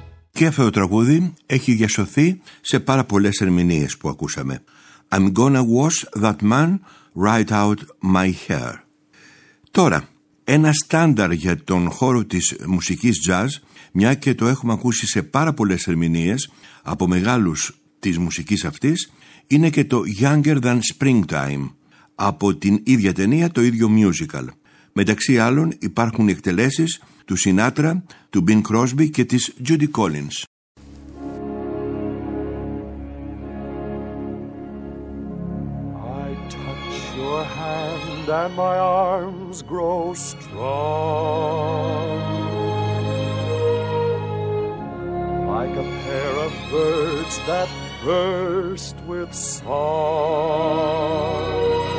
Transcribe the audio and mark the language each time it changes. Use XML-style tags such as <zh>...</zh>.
<el>Και αυτό το τραγούδι έχει διασωθεί σε πάρα πολλές ερμηνείες που ακούσαμε.</el> <en>I'm gonna wash that man right out my hair.</en> <el>Τώρα, ένα στάνταρ για τον χώρο της μουσικής jazz, μια και το έχουμε ακούσει σε πάρα πολλές ερμηνείες από μεγάλους της μουσικής αυτής, είναι και το Younger Than Springtime, από την ίδια ταινία, το ίδιο musical. Μεταξύ άλλων υπάρχουν εκτελέσεις του Σινάτρα, του Μπιν Κρόσμπι και της Τζούντι Κόλινς.</el> <en>I touch your hand and my arms grow strong. Like a pair of birds that burst with song.</en>